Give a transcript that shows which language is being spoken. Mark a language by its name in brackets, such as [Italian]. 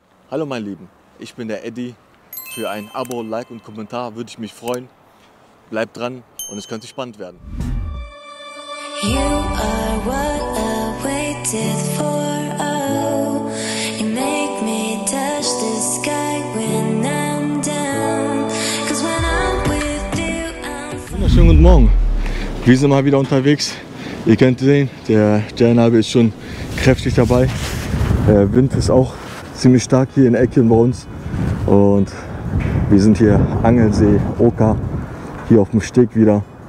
[German] Hallo mein Lieben, ich bin der Eddie. Für ein Abo, Like und Kommentar würde ich mich freuen. Bleibt dran und es könnte spannend werden. [English] You are what I waited for. Oh, you make me touch the sky when I'm down. Cause when I'm with you, I'm... [German] Wunderschönen guten Morgen. Wir sind mal wieder unterwegs. Ihr könnt sehen, der Jernabe ist schon kräftig dabei. Der Wind ist auch ziemlich stark hier in Eckchen bei uns. Und wir sind hier Angelsee, Oka, hier auf dem Steg wieder.